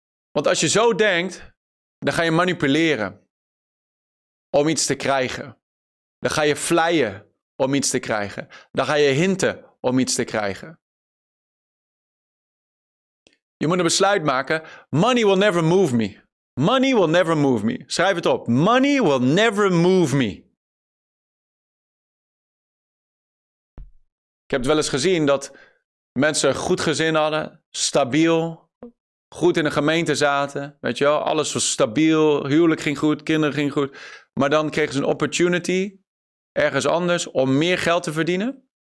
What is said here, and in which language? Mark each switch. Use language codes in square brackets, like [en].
[nl] Want als je zo denkt, dan ga je manipuleren. Om iets te krijgen. Dan ga je vleien om iets te krijgen. Dan ga je hinten om iets te krijgen. Je moet een besluit maken. [en] Money will never move me. Money will never move me. [nl] Schrijf het op. [en] Money will never move me. [nl] Ik heb het wel eens gezien dat mensen een goed gezin hadden. Stabiel. Goed in de gemeente zaten. Weet je wel? Alles was stabiel. Huwelijk ging goed. Kinderen gingen goed. Maar dan kregen ze een opportunity ergens anders om meer geld te verdienen.